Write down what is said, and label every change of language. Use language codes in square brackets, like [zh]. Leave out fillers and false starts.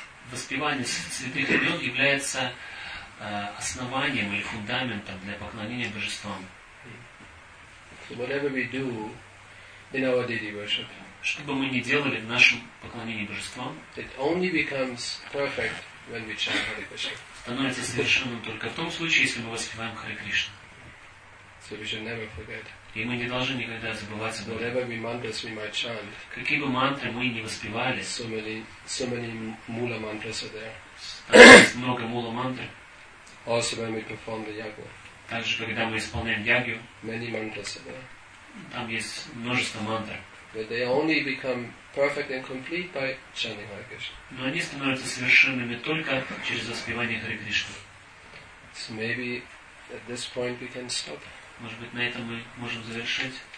[ru] Воспевание святых имен является основанием или фундаментом для поклонения божествам. [en] So whatever we do in our deity worship. [ru] Что бы мы ни делали в нашем поклонении божествам, [en] it only becomes perfect when we chant Hare Krishna. [ru] Становится совершенным только в том случае, если мы воспеваем Харе Кришну. [en] So we should never forget. [ru] И мы не должны никогда забывать об этом. [en] Whatever mantras we might chant, [ru] какие бы мантры мы ни воспевали, [en] so many mula mantras are there. [ru] Много мула мантр. [en] Also when we perform the yagya. [ru] Также когда мы исполняем ягью, [en] many mantras are there. [ru] Там есть множество мантр. [en] But they only become perfect and complete by chanting Hare Krishna. [ru] Но они становятся совершенными только через воспевание Харе Кришны. [en] So maybe at this point we can stop. [ru] Может быть, на этом мы можем завершить.